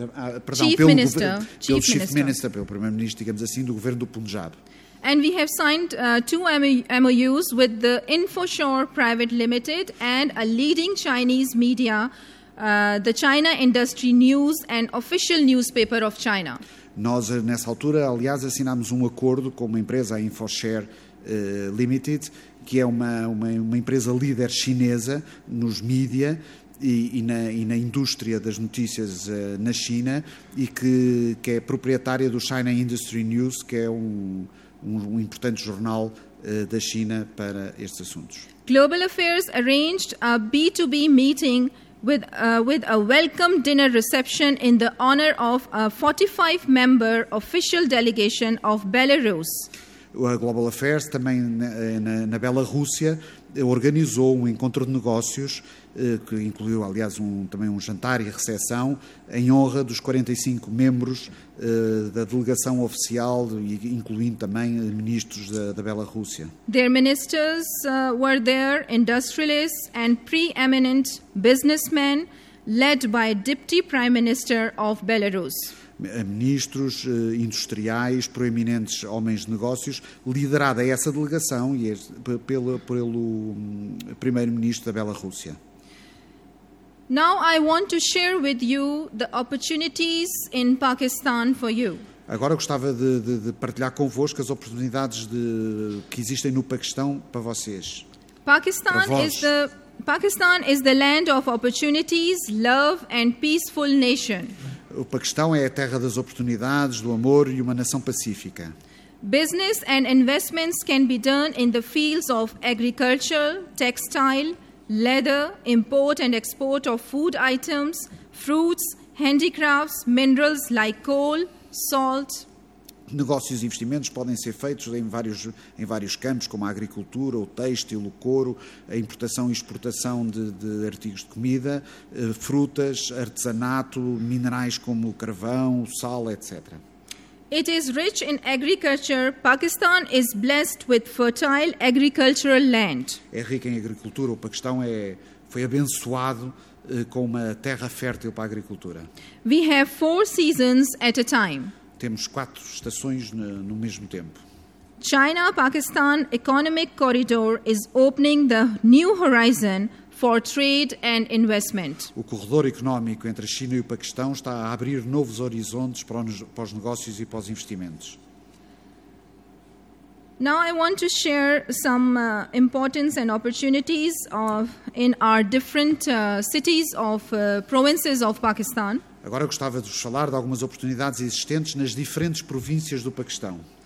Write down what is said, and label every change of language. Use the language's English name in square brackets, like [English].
[Portuguese] pelo Primeiro-Ministro, digamos assim, do Governo do Punjab. [English] And we have signed 2 MOUs with the InfoShore Private Limited and a leading Chinese media, the China Industry News, an official newspaper of China. [Portuguese] Nós, nessa altura, aliás, assinámos um acordo com uma empresa, a InfoShare Limited, que é uma empresa líder chinesa nos mídia e na indústria das notícias na China e que é proprietária do China Industry News, que é um importante jornal da China para estes assuntos. [English] Global Affairs arranged a B2B meeting with a welcome dinner reception in the honor of a 45-member official delegation of Belarus. [Portuguese] A Global Affairs, também na Bela-Rússia, organizou um encontro de negócios, que incluiu, aliás, também um jantar e recepção, em honra dos 45 membros da delegação oficial, incluindo também ministros da Bela-Rússia. [English] Their ministers were there, industrialists and preeminent businessmen, led by Deputy Prime Minister of Belarus. [Portuguese] Ministros industriais, proeminentes homens de negócios, liderada essa delegação pelo Primeiro-Ministro da Bela-Rússia. [English] Now I want to share with you the opportunities in Pakistan for you. [Portuguese] Agora gostava de partilhar convosco as oportunidades que existem no Paquistão para vocês. [English] Pakistan is the land of opportunities, love and peaceful nation. [Portuguese] O Paquistão é a terra das oportunidades, do amor e uma nação pacífica. [English] Business and investments can be done in the fields of agriculture, textile, leather, import and export of food items, fruits, handicrafts, minerals like coal, salt. [Portuguese] Negócios e investimentos podem ser feitos em vários campos, como a agricultura, o têxtil, o couro, a importação e exportação de artigos de comida, frutas, artesanato, minerais como o carvão, o sal, etc. [English] It is rich in agriculture. Pakistan is blessed with fertile agricultural land. [Portuguese] É rico em agricultura. O Paquistão foi abençoado com uma terra fértil para a agricultura. [English] We have 4 seasons at a time. [Portuguese] Temos 4 estações no mesmo tempo. [English] China-Pakistan Economic Corridor is opening the new horizon for trade and investment. [Portuguese] O corredor económico entre a China e o Paquistão está a abrir novos horizontes para os negócios e para os investimentos. [English] Now I want to share some importance and opportunities in our different cities of provinces of Pakistan. [Portuguese] Agora gostava de vos falar de algumas oportunidades existentes nas diferentes províncias do Paquistão.